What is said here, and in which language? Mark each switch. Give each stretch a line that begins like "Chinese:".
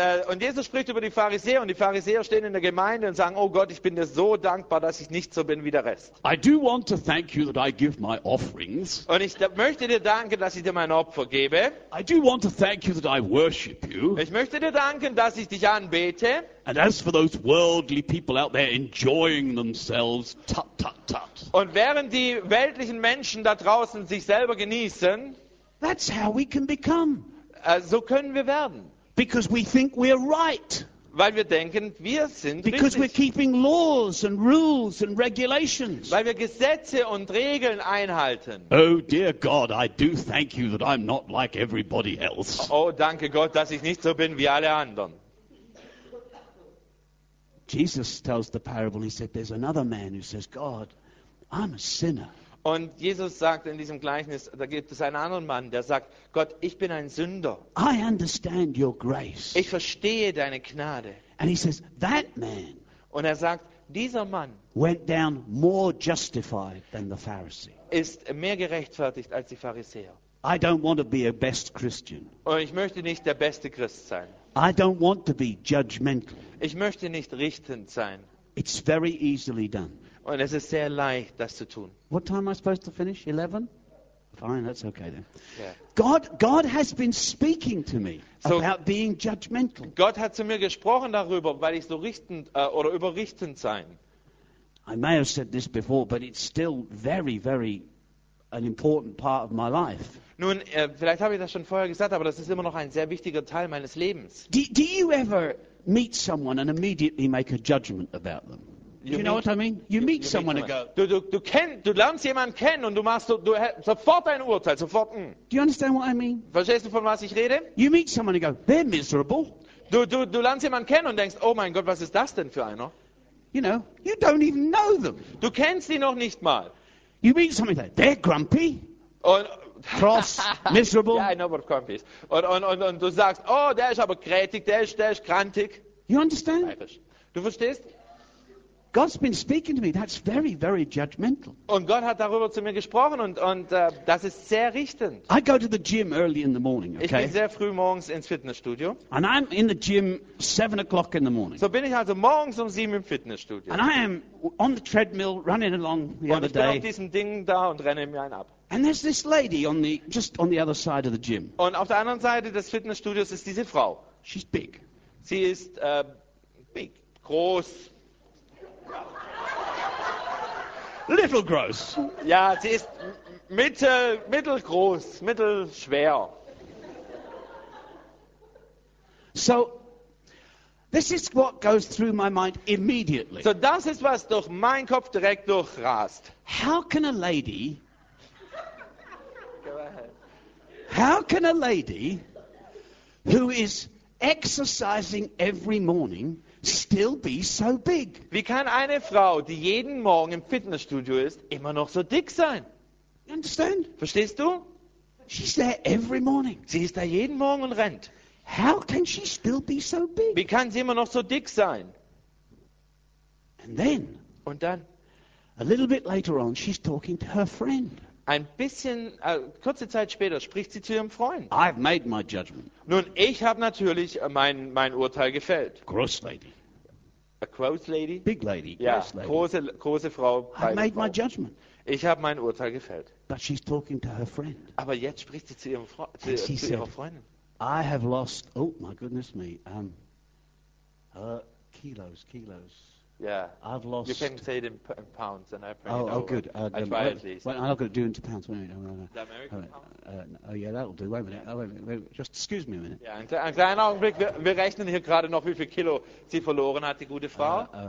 German: Und Jesus spricht über die Pharisäer und die Pharisäer stehen in der Gemeinde und sagen, oh Gott, ich bin dir so dankbar, dass ich nicht so bin wie der Rest.
English: I do want to thank you that I give my offerings.
German: Und ich möchte dir danken, dass ich dir mein Opfer gebe.
English: I do want to thank you that I worship you.
German: Ich möchte dir danken, dass ich dich anbete.
English: And as for those worldly people out there enjoying themselves, tut tut tut.
German: Und während die weltlichen Menschen da draußen sich selber genießen,
English: that's how we can become.
German: So können wir werden.
English: Because we think we're right.
German: Weil wir denken, wir sind
English: because
German: richtig.
English: We're keeping laws and rules and regulations.
German: Weil wir Gesetze und Regeln einhalten.
English: Oh dear God, I do thank you that I'm not like everybody else.
German: Oh, danke Gott, dass ich nicht so bin wie alle anderen.
English: Jesus tells the parable, he said, there's another man who says, God, I'm a sinner.
German: Und Jesus sagt in diesem Gleichnis, da gibt es einen anderen Mann, der sagt, Gott, ich bin ein Sünder.
English: I understand your grace.
German: Ich verstehe deine Gnade.
English: And he says, that man
German: und er sagt, dieser Mann
English: went down more justified than the Pharisee.
German: Ist mehr gerechtfertigt als die Pharisäer.
English: I don't want to be a best Christian.
German: Und ich möchte nicht der beste Christ sein.
English: I don't want to be judgmental.
German: Ich möchte nicht richtend sein.
English: It's very easily done.
German: Und es ist sehr leicht, das zu tun.
English: What time am I supposed to finish? 11? Fine, that's okay then. Yeah. God has been speaking to me so about being judgmental.
German: Gott hat zu mir gesprochen darüber, weil ich so richtend oder überrichtend sein.
English: I may have said this before, but it's still very, very an important part of my life.
German: Nun, vielleicht habe ich das schon vorher gesagt, aber das ist immer noch ein sehr wichtiger Teil meines Lebens.
English: Do you ever meet someone and immediately make a judgment about them? Do you know what I mean?
German: Du lernst jemanden kennen und du sofort ein Urteil, sofort.
English: Do you understand what I mean?
German: Verstehst du, von was ich rede?
English: You meet someone and go, they're miserable.
German: Du lernst jemanden kennen und denkst, oh mein Gott, was ist das denn für einer?
English: You know, you don't even know them.
German: Du kennst sie noch nicht mal.
English: You meet somebody like, they're grumpy.
German: Und
English: cross, miserable. Yeah, I know what grumpy is.
German: Und du sagst, oh, der ist aber krätig, der ist krantig.
English: You understand?
German: Du verstehst?
English: God's been speaking to me. That's very, very judgmental.
German: Und Gott hat darüber zu mir gesprochen und das ist sehr richtend.
English: I go to the gym early in the morning. Okay?
German: Ich gehe sehr früh morgens ins Fitnessstudio.
English: And I'm in the gym 7 o'clock in the morning.
German: So bin ich also morgens um 7 im Fitnessstudio.
English: And I am on the treadmill running along the
German: und
English: other day.
German: Und ich bin auf diesem Ding da und renne mir einen ab.
English: And there's this lady just on the other side of the gym.
German: Und auf der anderen Seite des Fitnessstudios ist diese Frau.
English: She's big.
German: Sie ist big, groß.
English: Little gross.
German: Ja, sie ist mittelgroß, mittelschwer.
English: So, this is what goes through my mind immediately.
German: So, das ist, was durch meinen Kopf direkt durchrast.
English: How can a lady... Go ahead. How can a lady who is exercising every morning... still be so big.
German: Wie kann eine Frau, die jeden Morgen im Fitnessstudio ist, immer noch so dick sein?
English: You understand?
German: Verstehst du?
English: She's there every morning.
German: Sie ist da jeden Morgen und rennt.
English: How can she still be so big?
German: Wie kann sie immer noch so dick sein?
English: And then,
German: und dann,
English: a little bit later on, she's talking to her friend.
German: Ein bisschen, kurze Zeit später spricht sie zu ihrem Freund.
English: I've made my judgment.
German: Nun, ich habe natürlich mein Urteil gefällt.
English: Gross lady. A gross lady. Big lady.
German: Ja,
English: gross lady.
German: Große Frau.
English: I've made
German: Frau.
English: My judgment.
German: Ich habe mein Urteil gefällt.
English: But she's talking to her friend.
German: Aber jetzt spricht sie zu ihrer Freundin.
English: I have lost, oh my goodness me,
German: Kilos.
English: Yeah. I've lost. You can say it in pounds, and I pray. Oh, good. I try at least. Well, I'm not going to do it into pounds. Wait a minute. The American pound? Oh, yeah, that'll do. Wait a minute. Just excuse me a minute.
German: Ja, ein kleiner Augenblick. Wir rechnen hier gerade noch, wie viel Kilo sie verloren hat, die gute Frau.